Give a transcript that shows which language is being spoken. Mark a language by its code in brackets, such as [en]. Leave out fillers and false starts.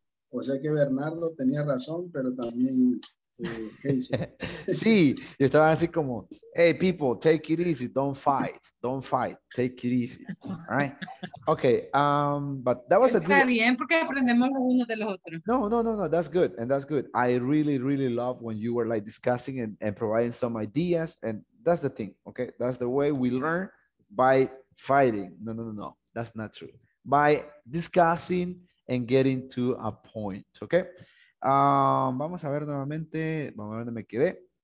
[es] O sea que Bernardo tenía razón, pero también sí, yo estaba así como, [en] hey, people, take it easy, don't fight, take it easy. All right? Ok, but that was a good... [es] Está bien, porque aprendemos los unos de los otros. [en] No, that's good. I really, really love when you were like discussing and providing some ideas and that's the thing, okay? That's the way we learn, by fighting. No, that's not true. By discussing and getting to a point, okay? [es] Vamos a ver nuevamente, vamos a ver dónde me quedé.